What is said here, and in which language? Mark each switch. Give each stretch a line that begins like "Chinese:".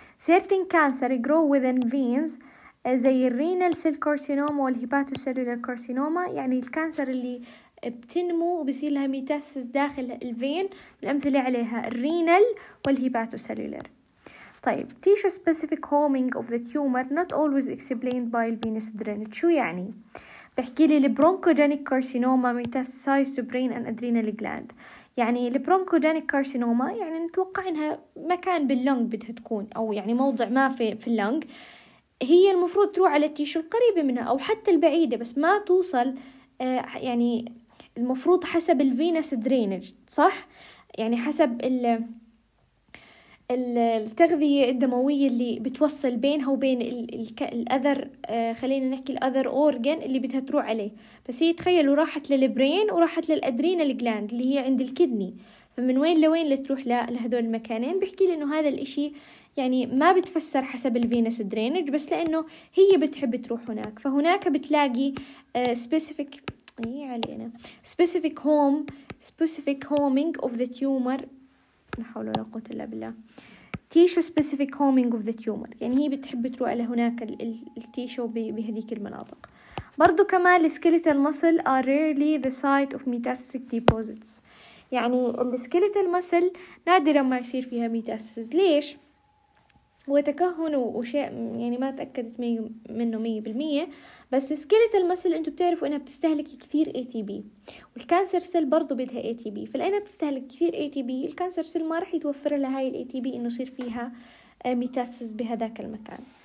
English: Certain cancer grow within veins
Arabic: زي الرينال سيل كارسينوما والهيباتوسيلولار كارسينوما. يعني الكانسر اللي بتنمو وبيصير لها ميتاسس داخل الفين، الأمثلة عليها الرينال والهيباتوسيلولار.
English: طيب tissue specific homing of the tumor not always explained by venous drainage.
Arabic: شو يعني؟ بحكي لي البرونكوجينيك كارسينوما ميتاسايز تو برين ان ادرينال جلاند. يعني البرونكوجينيك كارسينوما يعني نتوقع انها مكان باللونج بدها تكون، او يعني موضع ما في اللونج، هي المفروض تروح على التيشو القريبة منها او حتى البعيدة، بس ما توصل. يعني المفروض حسب الفينس درينج، صح؟ يعني حسب التغذية الدموية اللي بتوصل بينها وبين الأذر، خلينا نحكي الأذر أورجن اللي بدها تروح عليه. بس هي تخيلوا راحت للبرين وراحت للأدرينال جلاند اللي هي عند الكدني، فمن وين لوين اللي تروح لهذول المكانين؟ بحكي لأنه هذا الإشي يعني ما بتفسر حسب الفينس درينج، بس لأنه هي بتحب تروح هناك. فهناك بتلاقي specific علينا
English: specific homing of the tumor.
Arabic: نحاول ولا قوة إلا بالله.
English: tissue specific homing of the tumor،
Arabic: يعني هي بتحب تروح على هناك التيشو بهذيك المناطق.
English: برضو كمان skeletal muscle are rarely the site of metastatic deposits.
Arabic: يعني skeletal muscle نادرا ما يصير فيها metastasis. ليش؟ هو تكهن وشيء يعني ما تأكدت منه 100%، بس skeletal muscle انتو بتعرفوا انها بتستهلك كثير ATP، والكانسر سيل برضو بدها ATP، فلأنها بتستهلك كثير ATP الكانسر سيل ما رح يتوفر لها هاي الATP انه يصير فيها ميتاسس بهذاك المكان.